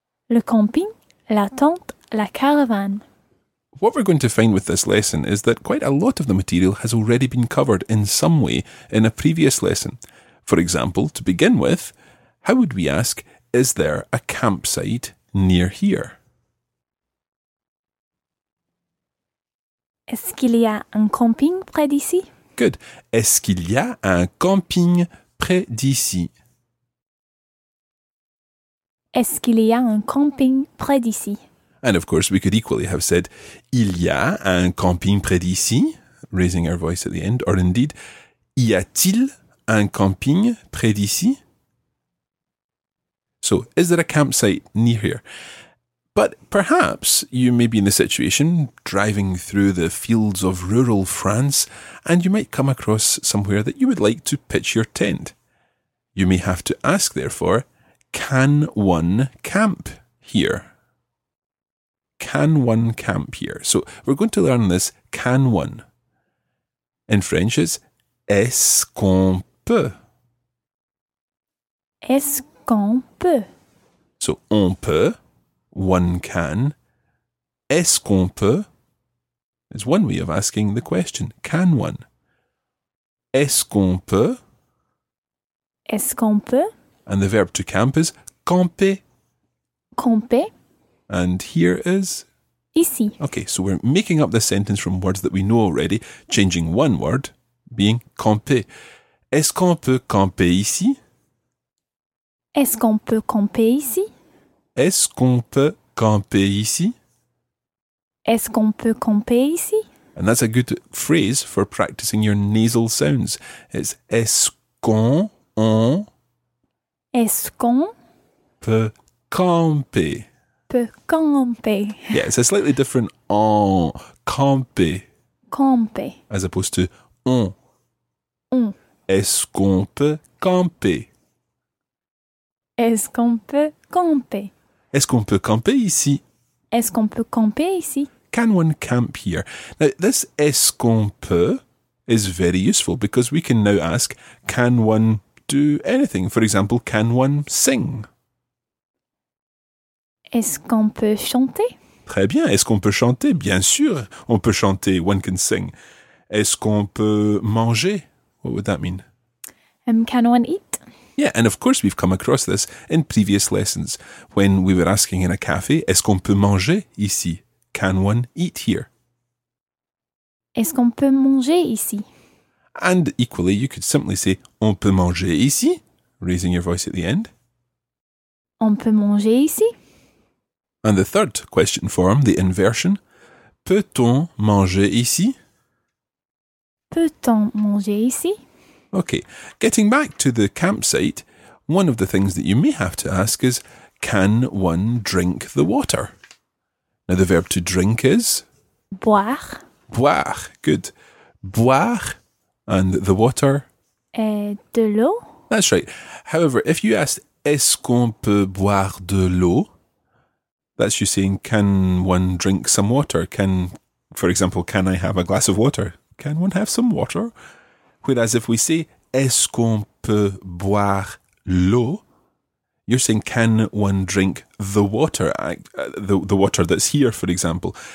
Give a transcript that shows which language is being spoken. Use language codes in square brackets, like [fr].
[fr] Le camping, la tente, la caravane. [en] What we're going to find with this lesson is that quite a lot of the material has already been covered in some way in a previous lesson. For example, to begin with, how would we ask, is there a campsite near here? [fr] Est-ce qu'il y a un camping près d'ici? [en] Good. [fr] Est-ce qu'il y a un camping près d'ici. Est-ce qu'il y a un camping près d'ici? [en] And of course, we could equally have said, [fr] il y a un camping près d'ici, [en] raising our voice at the end, or indeed, [fr] y a-t-il un camping près d'ici? [en] So, is there a campsite near here? But perhaps you may be in the situation driving through the fields of rural France and you might come across somewhere that you would like to pitch your tent. You may have to ask, therefore, can one camp here? Can one camp here? So we're going to learn this, can one. In French, it's [fr] est-ce qu'on peut? Est-ce qu'on peut? So on peut. [en] One can. [fr] Est-ce qu'on peut? [en] Is one way of asking the question. Can one? [fr] Est-ce qu'on peut? Est-ce qu'on peut? [en] And the verb to camp is camper. [fr] Camper. [en] And here is? [fr] Ici. [en] Okay, so we're making up the sentence from words that we know already, changing one word, being camper. [fr] Est-ce qu'on peut camper ici? Est-ce qu'on peut camper ici? Est-ce qu'on peut camper ici? Est-ce qu'on peut camper ici? [en] And that's a good phrase for practicing your nasal sounds. It's [fr] est-ce qu'on on est-ce qu'on peut camper? Peut camper. [en] Yeah, it's a slightly different on camper. [fr] Camper. [en] As opposed to on. [fr] On. Est-ce qu'on peut camper? Est-ce qu'on peut camper? Est-ce qu'on peut camper ici? Est-ce qu'on peut camper ici? [en] Can one camp here? Now, this est-ce qu'on peut is very useful because we can now ask, can one do anything? For example, can one sing? [fr] Est-ce qu'on peut chanter? Très bien. Est-ce qu'on peut chanter? Bien sûr, on peut chanter. [en] One can sing. [fr] Est-ce qu'on peut manger? [en] What would that mean? Can one eat? Yeah, and of course we've come across this in previous lessons when we were asking in a café, [fr] est-ce qu'on peut manger ici? [en] Can one eat here? [fr] Est-ce qu'on peut manger ici? [en] And equally, you could simply say, [fr] on peut manger ici? [en] Raising your voice at the end. [fr] On peut manger ici? [en] And the third question form, the inversion, [fr] peut-on manger ici? Peut-on manger ici? [en] Okay, getting back to the campsite, one of the things that you may have to ask is, can one drink the water? Now, the verb to drink is? [fr] Boire. [en] Boire, good. Boire, and the water? [fr] De l'eau. [en] That's right. However, if you asked, [fr] est-ce qu'on peut boire de l'eau? [en] That's you saying, can one drink some water? Can, for example, can I have a glass of water? Can one have some water? Whereas if we say, [fr] est-ce qu'on peut boire l'eau? [en] You're saying, can one drink the water? The water that's here, for example.